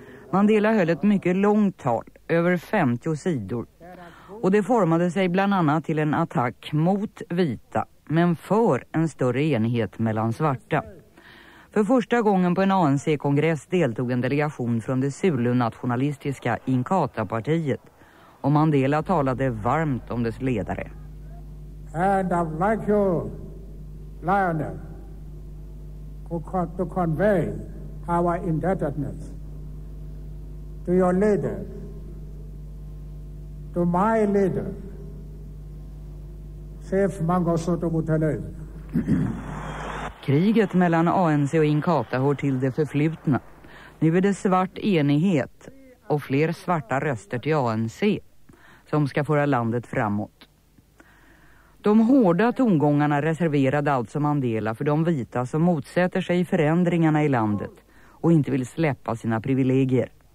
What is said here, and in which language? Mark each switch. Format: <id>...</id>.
<sv>Mandela höll ett mycket långt tal, över 50 sidor, och det formade sig bland annat till en attack mot vita, men för en större enhet mellan svarta. För första gången på en ANC-kongress deltog en delegation från det Zulu-nationalistiska Inkatha-partiet och Mandela talade varmt om dess ledare.</sv> <en>And I'd like you, Lionel, to convey our indebtedness to your leader, to my leader, Chef Mangosuthu Buthelezi.</en> <sv>Kriget mellan ANC och Inkatha hör till det förflutna. Nu är det svart enighet och fler svarta röster till ANC som ska föra landet framåt. De hårda tongångarna reserverade alltså Mandela för de vita som motsätter sig förändringarna i landet och inte vill släppa sina privilegier.</sv>